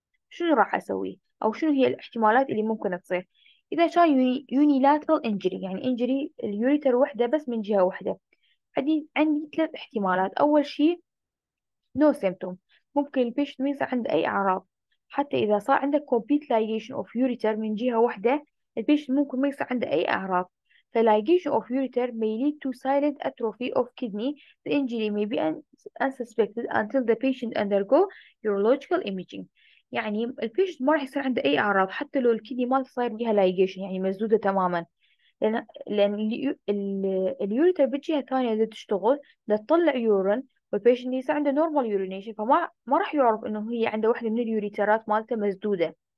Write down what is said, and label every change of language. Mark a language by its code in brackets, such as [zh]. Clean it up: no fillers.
[ar] شنو راح اسوي او شنو هي الاحتمالات اللي ممكن تصير؟ اذا كان يونيلاترال انجري، يعني انجري اليوريتر وحده بس من جهة وحده، عندي 3 احتمالات. اول شيء نو سيمتوم، ممكن البيشنت ما يصير عنده اي اعراض، حتى إذا صار عندك [en] complete ligation of ureter [ar] من جهة واحدة البيشن ممكن ما يصير عنده أي أعراض. [en] ف ligation of ureter may lead to silent atrophy of kidney. The injury may be unsuspected until the patient undergo urological imaging. [ar] يعني البيشن ما راح يصير عنده أي أعراض حتى لو الكدني ما صاير بيها ligation، يعني مسدودة تماما، لأن اليوريتر بالجهة الثانية اللي تشتغل لتطلع يورين، والبيشنت اللي يصير عنده نورمال يورينيشن، فما راح يعرف انه هي عنده واحدة من اليوريترات مالته مسدودة.